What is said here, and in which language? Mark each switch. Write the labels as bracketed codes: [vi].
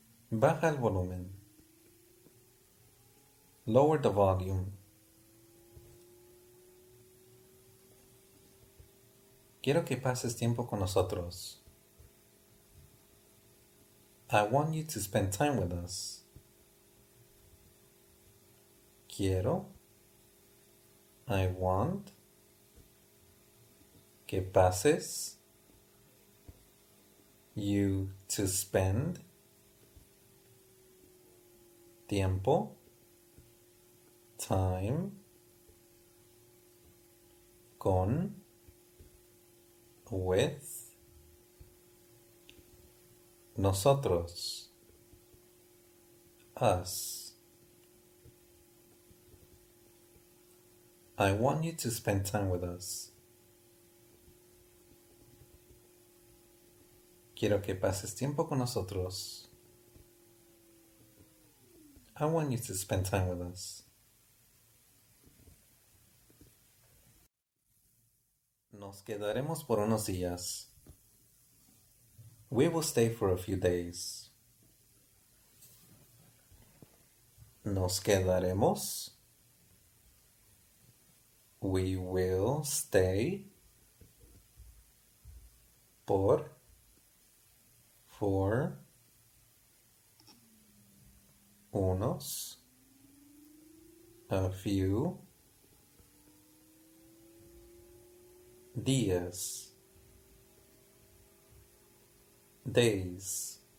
[es] Baja el volumen. [en] Lower the volume. [es] Quiero que pases tiempo con nosotros. [en] I want you to spend time with us. Quiero. I want. [es] Que pases. [en] You to spend. [es] Tiempo. Time. [en] Con. With nosotros, us. I want you to spend time with us. [es] Quiero que pases tiempo con nosotros. [en] I want you to spend time with us. [es] Nos quedaremos por unos días. [en] We will stay for a few days. [es] Nos quedaremos. [en] We will stay for unos a few días, days.